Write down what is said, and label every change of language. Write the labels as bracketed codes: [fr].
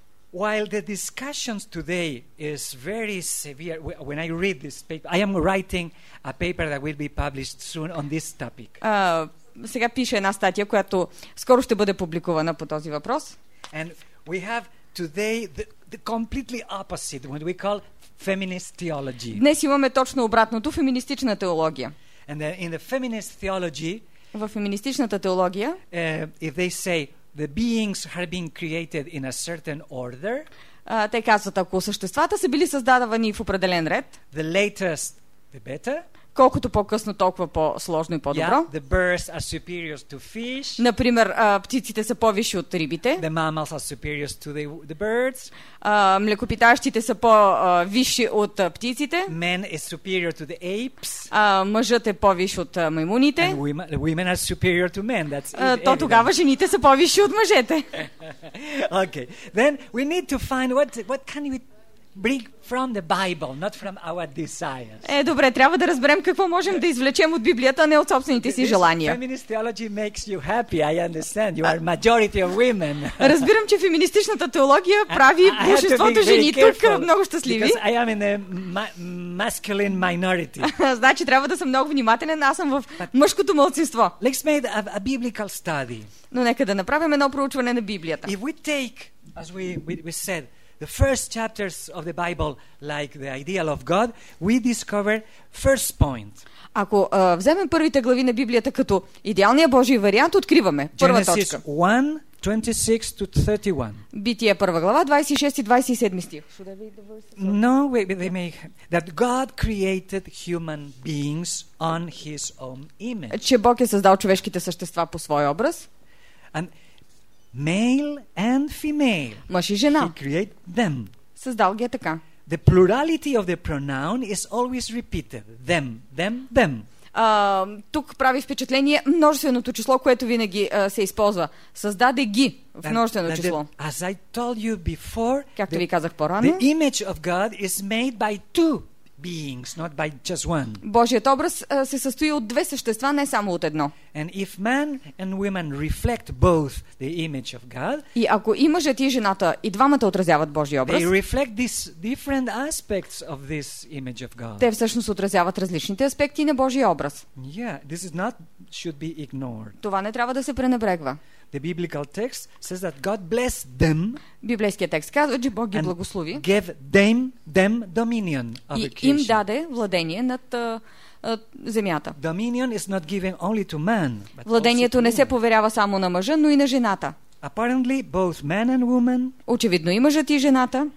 [en] While the discussions today is very severe, when I read this paper, I am writing a paper that will be published soon on this topic. [bg] Сега пише една статия, която скоро ще бъде публикувана по този въпрос. [en] And we have today the completely opposite, what we call feminist theology. [bg] Днес имаме точно обратното, феминистична теология. [en] And in the feminist theology, [bg] в феминистичната теология, [en] if they say the beings have been created in a certain order. [bg] Те казват, ако съществата са били създадени в определен ред, [en] the latest, the better. [bg] колкото по-късно, толкова по-сложно и по-добро. [en] Yeah, the birds are superior to fish. [bg] Например, птиците са повиши от рибите. [en] The mammals are superior to the birds. [bg] Млекопитащите са по-виши от птиците. [en] Men is superior to the apes. [bg] Мъжът е повиш от маймуните. [en] And women are superior to men. That's [bg] то тогава жените са повиши от мъжете. [en] Okay. Then we need to find what can we bring from the Bible, not from our desires. [bg] Добре, трябва да разберем какво можем да извлечем от Библията, а не от собствените си желания. [en] Feminist theology makes you happy, I understand. You are majority of women. [bg] Разбирам, че феминистичната теология прави большинството жени тук много щастливи. [en] Because I am in a masculine minority. [bg] Значи трябва да съм много внимателен, аз съм в мъжкото малцинство. [en] Let's make a biblical study. [bg] Но нека да направим едно проучване на Библията. [en] If we take, as we said, the first chapters of the Bible, like the ideal of God, we discover first point. [bg] Ако вземем първите глави на Библията като идеалния Божий вариант, откриваме първа точка. [en] Genesis 1:26-31. [bg] Битие първа глава, 26-27 стих. [en] No, they may that God created human beings on His own image. [bg] Че Бог е създал човешките същества по свой образ. [en] And male and female. [bg] Мъж и жена. [en] He create them. [bg] Създал ги е така. [en] The plurality of the pronoun is always repeated. Them, them, them. [bg] Тук прави впечатление множественото число, което винаги се използва. Създаде ги в множествено число. [en] As I told you before, [bg] както ви казах по-рано, [en] the image of God is made by two beings, not by just one. [bg] Божият образ се състои от две същества, не само от едно. [en] And if man and woman reflect both the image of God, [bg] и ако и мъжът и жената и двамата отразяват Божия образ, [en] they reflect these different aspects of this image of God. [bg] Те всъщност отразяват различните аспекти на Божия образ. [en] Yeah, this is not should be ignored. [bg] Това не трябва да се пренебрегва. [en] The biblical text says that God blessed them. [bg] Библейският текст казва, че Бог ги благослови. [en] And gave them dominion over creation. [bg] И им даде владение над земята. [en] Dominion is not given only to man, but also to [bg] Владението не се поверява само на мъжа, но и на жената. [en] Apparently, both man and woman. [bg] Очевидно и мъжът и жената.